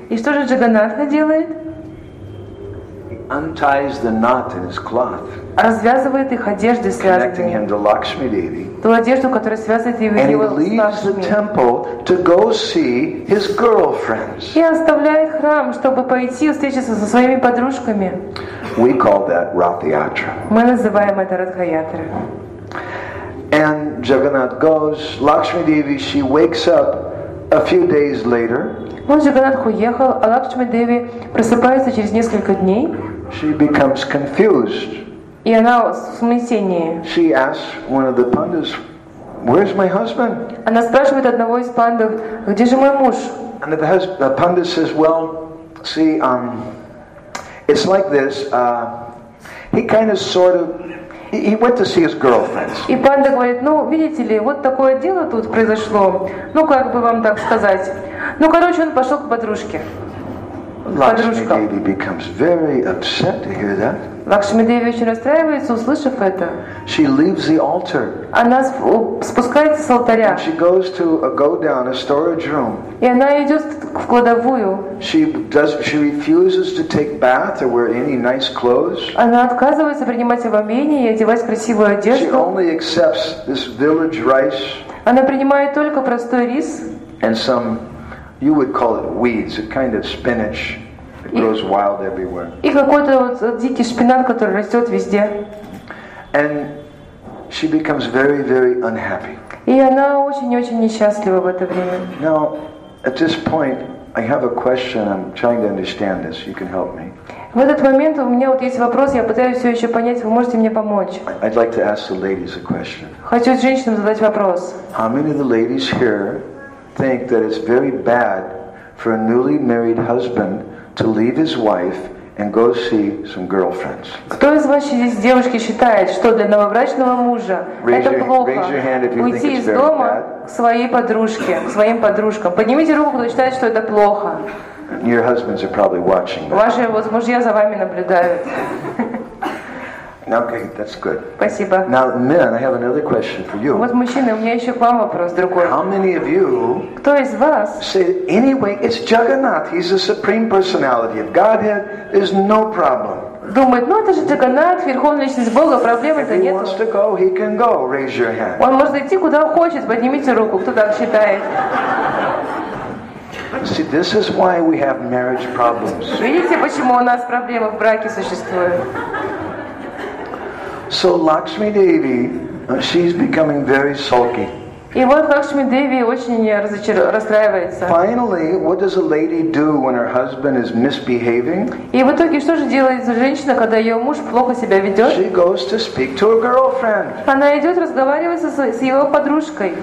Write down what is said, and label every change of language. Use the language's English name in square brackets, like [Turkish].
[Russian] И что же Джаганнатха делает? [English] He unties the knot in his cloth. [Russian] Развязывает их одежды, [English] connecting him to Lakshmi Devi. [Russian] Ту одежду, которая связывает его с Лакшми. [English] And he leaves the temple to go see his girlfriends. [Russian] И оставляет храм, чтобы пойти встретиться со своими подружками. [English] We call that Rathyatra. [Russian] Мы называем это Ратхаятра. [English] And Jagannath goes. Lakshmi Devi, she wakes up a few days later. [Russian] Он Джаганнатху уехал, а Лакшми Деви просыпается через несколько дней. [English] She becomes confused. [Russian] И она в смятении. [English] She asks one of the pandas, "Where's my husband?" [Russian] Она спрашивает одного из пандов, где же мой муж? [English] And the panda says, "Well, see, it's like this. He kind of, sort of." He went to see his girlfriends. [Russian] И панда говорит, ну, видите ли, вот такое дело тут произошло. Ну, как бы вам так сказать. Ну, короче, он пошел к подружке. [English] Lakshmi Devi becomes very upset to hear that. [Russian] Лакшми Деви очень расстраивается, услышав это. [English] She leaves the altar. [Russian] Она спускается с алтаря. [English] And she goes to a godown, a storage room. [Russian] И она идет в кладовую. [English] She refuses to take bath or wear any nice clothes. [Russian] Она отказывается принимать омовение и одевать красивую одежду. [English] She only accepts this village rice. [Russian] Она принимает только простой рис. [English] And some, you would call it weeds, a kind of spinach. It grows wild everywhere. [Russian] И какой-то вот дикий шпинат, который растет везде. [English] And she becomes very, very unhappy. [Russian] И она очень-очень несчастлива в это время. [English] Now, at this point, I have a question. I'm trying to understand this. You can help me. [Russian] В этот момент у меня вот есть вопрос, я пытаюсь все еще понять, вы можете мне помочь. [English] I'd like to ask the ladies a question. [Russian] Хочу женщинам задать вопрос. [English] How many of the ladies here think that it's very bad for a newly married husband to leave his wife and go see some girlfriends? [Russian] Кто из вас здесь девушки считает, что для новобрачного мужа это плохо уйти из дома к своей подружке, к своим подружкам? Поднимите руку, кто считает, что это плохо. [English] Your husbands are probably watching. [Russian] Ваши мужья за вами наблюдают. [English] Okay, that's good. [Russian] Спасибо. [English] Now, men, I have another question for you. [Russian] Вот мужчины, у меня еще к вам вопрос другой. [English] How many of you? [Russian] Кто из вас? [English] Say anyway, it's Jagannath. He's the supreme personality of Godhead. There's no problem. [Russian] Думает, ну это же Джаганнат, верховная личность Бога, проблемы-то нет. [English] If he wants to go, he can go. Raise your hand. [Russian] Он может идти куда хочет, поднимите руку, кто так считает. [English] See, this is why we have marriage problems. [Russian] Видите, почему у нас проблемы в браке существуют? [English] So Lakshmi Devi, she's becoming very sulky. [Russian] И вот Лакшми Деви очень расстраивается. [English] Finally, what does a lady do when her husband is misbehaving? [Russian] И в итоге что же делает женщина, когда ее муж плохо себя ведет? [English] She goes to speak to her girlfriend. [Russian] Она идет разговаривать с его подружкой.